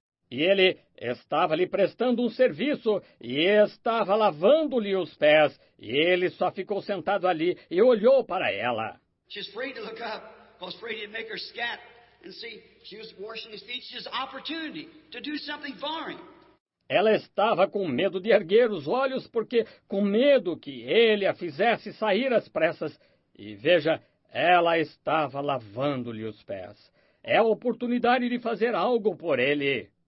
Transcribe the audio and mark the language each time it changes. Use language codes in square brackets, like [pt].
[pt] E ele estava lhe prestando um serviço e estava lavando-lhe os pés. E ele só ficou sentado ali e olhou para ela. [en] She's afraid to look up, because afraid he'd make her scat. And see, she was washing his feet. She had an opportunity to do something for him. [pt] Ela estava com medo de erguer os olhos porque com medo que ele a fizesse sair às pressas. E veja, ela estava lavando-lhe os pés. É a oportunidade de fazer algo por ele.